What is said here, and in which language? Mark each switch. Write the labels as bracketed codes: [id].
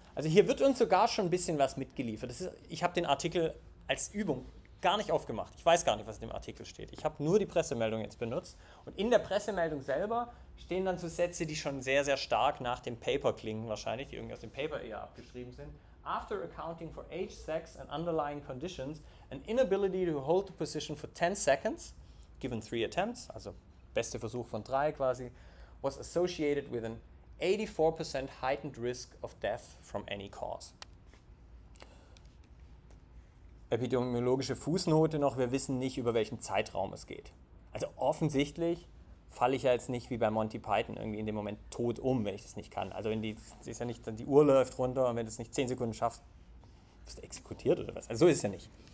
[de] Also hier wird uns sogar schon ein bisschen was mitgeliefert. Das ist, ich habe den Artikel als Übung gar nicht aufgemacht. Ich weiß gar nicht, was in dem Artikel steht. Ich habe nur die Pressemeldung jetzt benutzt. Und in der Pressemeldung selber stehen dann so Sätze, die schon sehr, sehr stark nach dem Paper klingen, wahrscheinlich, die irgendwie aus dem Paper eher abgeschrieben sind. [en] After accounting for age, sex and underlying conditions, an inability to hold the position for 10 seconds, given three attempts, [de] also beste Versuch von drei quasi, [en] was associated with an 84% heightened risk of death from any cause. [de] Epidemiologische Fußnote noch, wir wissen nicht, über welchen Zeitraum es geht. Also offensichtlich falle ich ja jetzt nicht wie bei Monty Python irgendwie in dem Moment tot um, wenn ich das nicht kann. Also wenn ist ja nicht, dann die Uhr läuft runter und wenn du es nicht 10 Sekunden schaffst, wirst du exekutiert oder was. Also so ist es ja nicht.